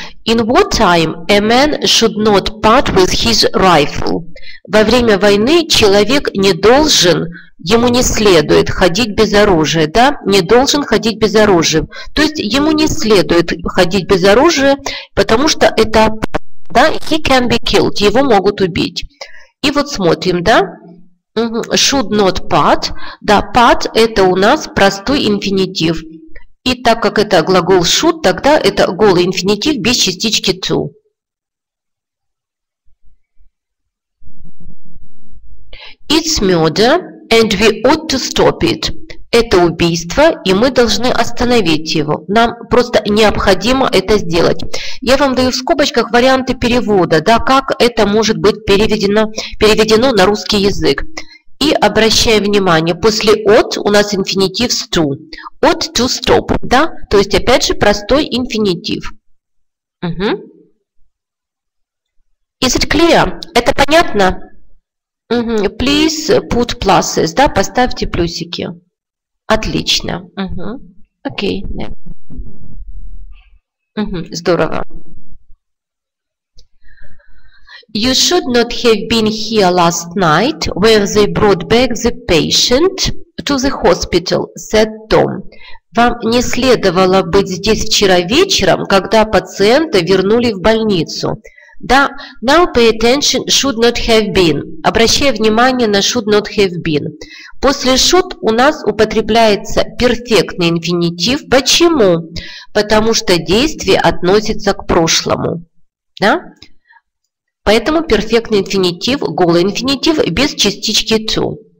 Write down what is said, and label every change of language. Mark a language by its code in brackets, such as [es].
[en] In what time a man should not part with his rifle? [ru] Во время войны человек не должен, ему не следует ходить без оружия, да? Не должен ходить без оружия. То есть ему не следует ходить без оружия, потому что это, да, [en] he can be killed, [ru] его могут убить. И вот смотрим, да? Should not part. Да, part это у нас простой инфинитив. И так как это глагол should, тогда это голый инфинитив без частички to. [en] It's murder and we ought to stop it. [ru] Это убийство, и мы должны остановить его. Нам просто необходимо это сделать. Я вам даю в скобочках варианты перевода, да, как это может быть переведено на русский язык. И обращаем внимание, после «от» у нас инфинитив с «to». «От» – «to stop», да? То есть, опять же, простой инфинитив. Угу. [en] Is it clear? [ru] Это понятно? Угу. [en] Please put pluses, [ru] да, поставьте плюсики. Отлично. Угу. Окей. Угу. Здорово. [en] You should not have been here last night when they brought back the patient to the hospital, said Tom. [ru] Вам не следовало быть здесь вчера вечером, когда пациента вернули в больницу. [en] Да, now pay attention, should not have been. [ru] Обращай внимание на should not have been. После should у нас употребляется перфектный инфинитив. Почему? Потому что действие относится к прошлому. Да? Поэтому перфектный инфинитив, голый инфинитив без частички to.